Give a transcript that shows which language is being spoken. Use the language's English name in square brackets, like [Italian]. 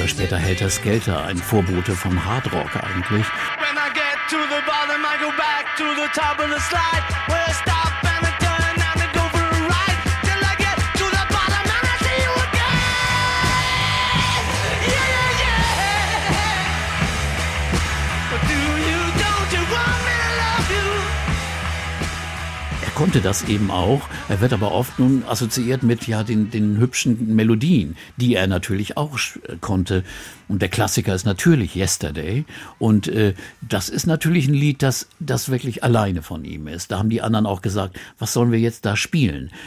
[German] Da hält das Skelter, ein Vorbote vom Hardrock eigentlich. [English] When I get to the bottom, I go back to the top of the slide. Where I stop and I turn and I go for a ride. Till I get to the bottom and I see you again. Yeah, yeah, yeah. But do you, don't you want me to love you? [German] Er konnte das eben auch. Er wird aber oft nun assoziiert mit den hübschen Melodien, die er natürlich auch konnte. Und der Klassiker ist natürlich Yesterday. Und das ist natürlich ein Lied, das wirklich alleine von ihm ist. Da haben die anderen auch gesagt, was sollen wir jetzt da spielen?